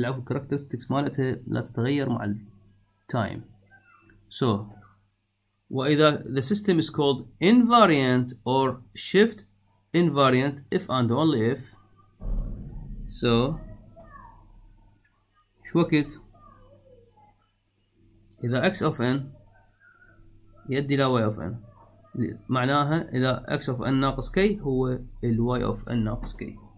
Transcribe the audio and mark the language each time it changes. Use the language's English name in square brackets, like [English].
[Arabic] Characteristics مالتها لا تتغير مع [English] time. So, either the system is called invariant or shift invariant if and only if. [Arabic] So, شوكت إذا x of n يدي إلى y of n معناها إذا x of n ناقص k هو ال y of n ناقص k.